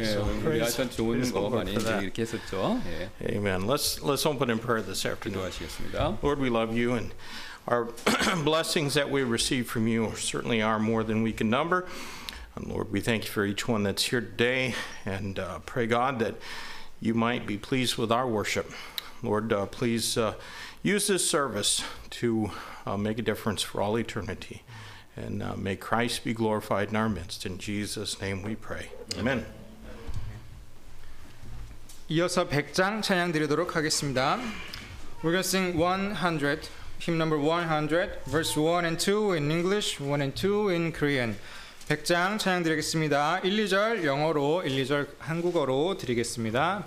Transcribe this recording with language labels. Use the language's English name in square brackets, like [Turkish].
[Korean] 예, so 우리가 좋은 거 많이 이렇게 했었죠. 예. [English] Amen. Let's open in prayer this afternoon. [Korean] 기도하시겠습니다. [English] Lord, we love you, and our blessings that we receive from you certainly are more than we can number. And Lord, we thank you for each one that's here today, and pray God that you might be pleased with our worship. Lord, please use this service to make a difference for all eternity. And may Christ be glorified in our midst. In Jesus' name we pray. Amen. [Korean] 이어서 100장 찬양 드리도록 하겠습니다. [English] We're going to sing 100, hymn number 100, verse 1 and 2 in English, 1 and 2 in Korean. [Korean] 100장 찬양 드리겠습니다. 1, 2절 영어로, 1, 2절 한국어로 드리겠습니다.